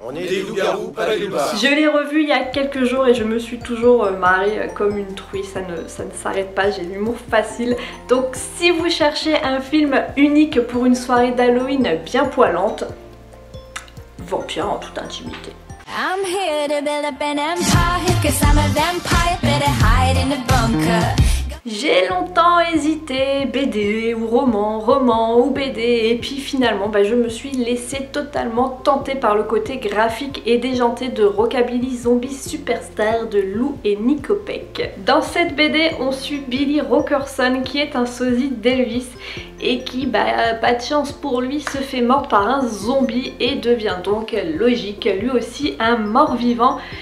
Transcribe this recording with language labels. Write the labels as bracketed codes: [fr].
[fr] On est des loups-garous, pas des loups-bas. Je l'ai revu il y a quelques jours et je me suis toujours marrée comme une truie, ça ne s'arrête pas, j'ai l'humour facile. Donc si vous cherchez un film unique pour une soirée d'Halloween bien poilante, Vampire en toute intimité. [en] I'm here to build up an empire, cause I'm a vampire, better hide in a bunker. [fr] J'ai longtemps hésité, BD ou roman ou BD, et puis finalement bah, je me suis laissée totalement tenter par le côté graphique et déjanté de Rockabilly Zombie Superstar de Lou et Nico Peck. Dans cette BD, on suit Billy Rockerson qui est un sosie d'Elvis et qui, bah, pas de chance pour lui, se fait mort par un zombie et devient donc logique, lui aussi un mort-vivant.